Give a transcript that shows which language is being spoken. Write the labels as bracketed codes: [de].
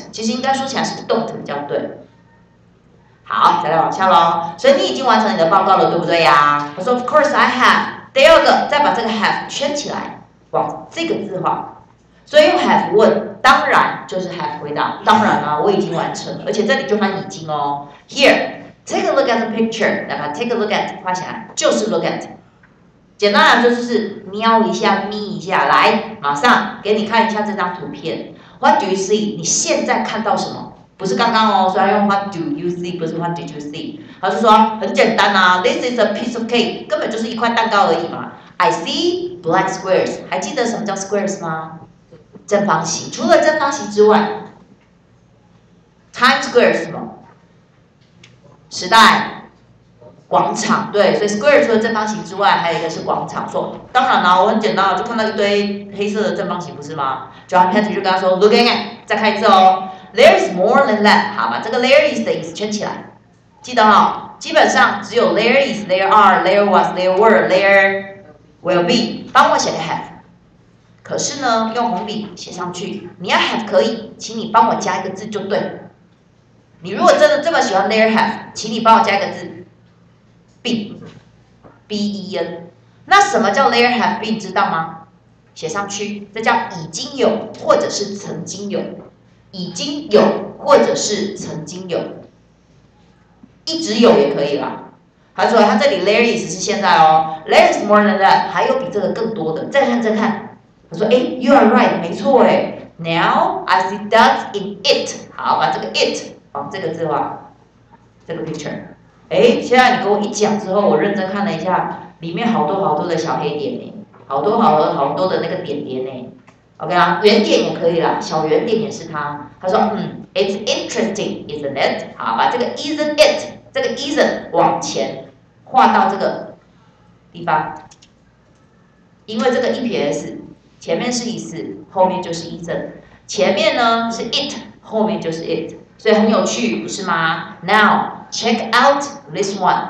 [zh] 其实应该说起来是 don't 比较对。好，再来往下喽。所以你已经完成你的报告了，对不对呀？我说 [en] of course I have。 [zh] 第二个，再把这个 have 圈起来，往这个字画。所以用 have 问，当然就是 have 回答，当然啊，我已经完成了，而且这里就翻已经哦。 [en] Here, take a look at the picture， [zh] 来把 [en] take a look at [zh] 画起来，就是 [en] look at。 [zh] 简单来说就是瞄一下，眯一下，来，马上给你看一下这张图片。 [en] What do you see？ [zh] 你现在看到什么？不是刚刚哦，所以要用 [en] What do you see？ [zh] 不是 [en] What did you see？ [zh] 他就说很简单啊 ， [en] This is a piece of cake， [zh] 根本就是一块蛋糕而已嘛。 [en] I see black squares， [zh] 还记得什么叫 [en] squares 吗？ [zh] 正方形。除了正方形之外 ，Times Square 是什么？时代广场。对，所以 square 除了正方形之外，还有一个是广场。说，当然啦，我很简单，就看到一堆黑色的正方形，不是吗 ？John Patrick 就跟他说 ， [en] Look again， [zh] 再看一次哦。 [en] There is more than that， [zh] 好吧，这个 there is 的意思圈起来，记得哈、哦。基本上只有 [en] there is， there are， there was， there were， there will be。 [zh] 帮我写个 have。可是呢，用红笔写上去，你要 have 可以，请你帮我加一个字就对。你如果真的这么喜欢 there have， 请你帮我加一个字 ，been，b-e-n。那什么叫 there have been 知道吗？写上去，这叫已经有或者是曾经有。已经有或者是曾经有，一直有也可以啦。他说他这里 there is 是现在哦 ， [en] there is more than that， [zh] 还有比这个更多的。再看再看，他说哎 ， [en] you are right， [zh] 没错哎。 [en] Now I see that in it， [zh] 好，把这个 [en] it [zh] 往这个字画，这个 [en] picture。 [zh] 哎，现在你跟我一讲之后，我认真看了一下，里面好多好多的小黑点呢，好多好多好多的那个点点呢。 OK 啦，圆点也可以啦，小圆点也是他。他说， [en] it's interesting, isn't it? [zh] 好，把这个 isn't it， 这个 isn't 往前画到这个地方，因为这个 eps 前面是 is， 后面就是 isn't， 前面呢是 it， 后面就是 it， 所以很有趣，不是吗 ？ [en] Now check out this one。